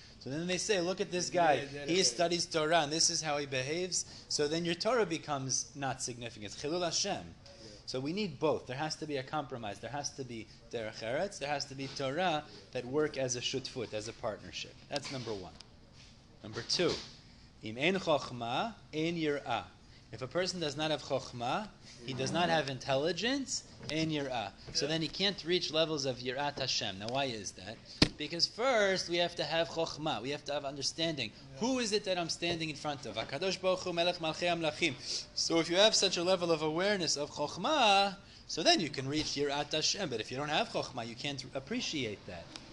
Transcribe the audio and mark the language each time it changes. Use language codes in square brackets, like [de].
[en] So then they say, look at this guy. He studies Torah, and this is how he behaves. So then your Torah becomes not significant. Chilul Hashem. So we need both. There has to be a compromise. There has to be derech eretz. There has to be Torah that work as a shutfut, as a partnership. That's number one. Number two. [he] Im ein chokhmah, ein yirah. [en] If a person does not have chokhmah, he does not have intelligence, [he] ein yirah. [en] So then he can't reach levels of yirat Hashem. Now why is that? Because first we have to have chokhmah. We have to have understanding. Yeah. Who is it that I'm standing in front of? [he] HaKadosh Baruch Hu Melech Malchei HaMelachim. [en] So if you have such a level of awareness of chokhmah, so then you can reach yirat Hashem. But if you don't have chokhmah, you can't appreciate that.